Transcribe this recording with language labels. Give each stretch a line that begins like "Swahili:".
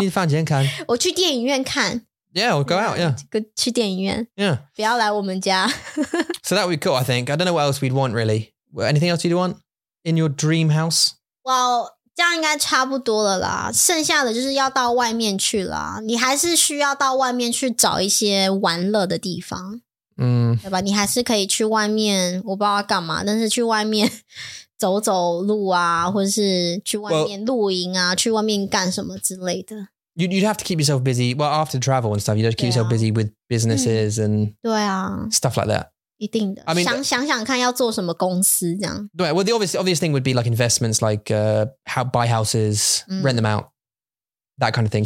Chinese: 这样他们说,爸爸,我们要去看电影。去你的房间。去你的房间看。我去电影院看。
English: Yeah, we'll go out, yeah.
Chinese: 去电影院。
English: Yeah.
Chinese: 不要来我们家。
English: So that would be cool, I think. I don't know what else we'd want, really. Anything else you'd want in your dream house?
Chinese: Well, 这样应该差不多了啦，剩下的就是要到外面去啦，你还是需要到外面去找一些玩乐的地方，对吧？你还是可以去外面，我不知道干嘛，但是去外面走走路啊，或者是去外面露营啊，去外面干什么之类的。
English: You'd have to keep yourself busy. Well, after travel and stuff, you'd have to keep yourself busy with businesses and stuff like that.
Chinese: 一定的,
English: I mean,
Chinese: 想想看要做什么公司这样。
English: Right, well, the obvious thing would be like investments, like buy houses, rent them out, that kind of thing.